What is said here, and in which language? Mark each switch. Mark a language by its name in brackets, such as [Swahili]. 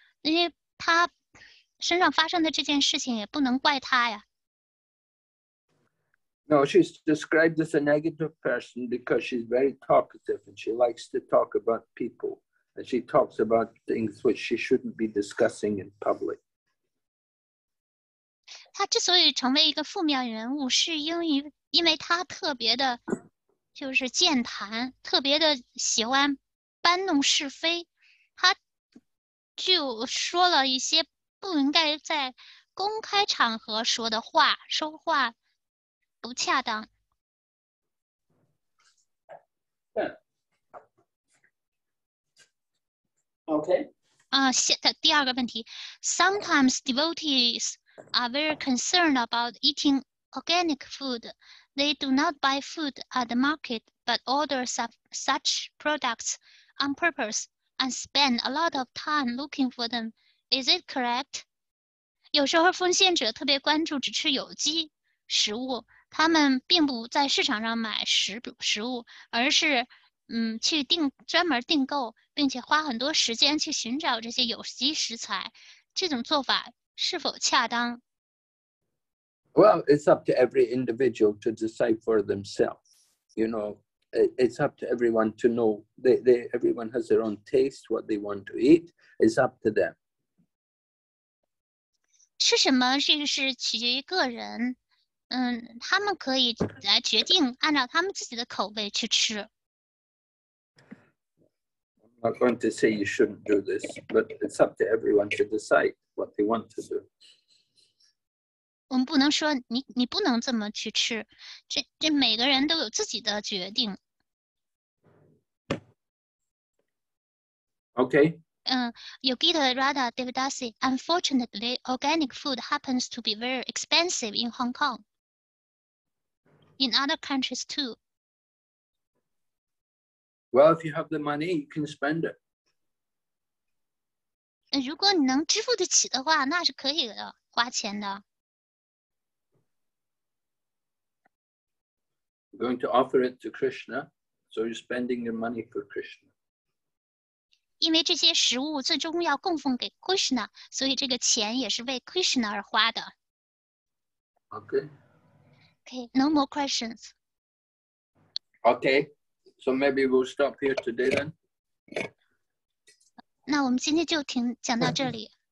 [Chinese] 因为他身上发生的这件事情也不能怪他呀。 [English] No, she's described as a negative person because she's very talkative and she likes to talk about people. And she talks about things which she shouldn't be discussing in public. [Chinese] 他之所以成为一个负面人物是因为他特别的就是健谈，特别的喜欢搬弄是非，他就说了一些不应该在公开场合说的话，说话不恰当。 [English] Okay. [Chinese] 第二个问题 [English] ，Sometimes devotees are very concerned about eating organic food. They do not buy food at the market, but order such products on purpose and spend a lot of time looking for them. Is it correct? [Chinese] 有时候奉献者特别关注只吃有机食物，他们并不在市场上买食物，而是专门订购，并且花很多时间去寻找这些有机食材。这种做法是否恰当？ [English] Well, it's up to every individual to decide for themselves. You know, it's up to everyone to know. Everyone has their own taste, what they want to eat. It's up to them. [Chinese] 吃什么这个是取决于个人。他们可以来决定按照他们自己的口味去吃。 [English] I'm not going to say you shouldn't do this, but it's up to everyone to decide what they want to do. [Chinese] 我们不能说你不能这么去吃，这每个人都有自己的决定。 [English] Okay. Yogita Radha Devadasi, unfortunately, organic food happens to be very expensive in Hong Kong. In other countries too. Well, if you have the money, you can spend it. [Chinese] 如果你能支付得起的话，那是可以的，花钱的。 [English] Going to offer it to Krishna, so you're spending your money for Krishna. [Chinese] 因为这些食物最终要供奉给 Krishna, 所以这个钱也是为 Krishna 而花的。 [English] Okay. Okay, no more questions. Okay, so maybe we'll stop here today then. [Chinese] 那我们今天就讲到这里。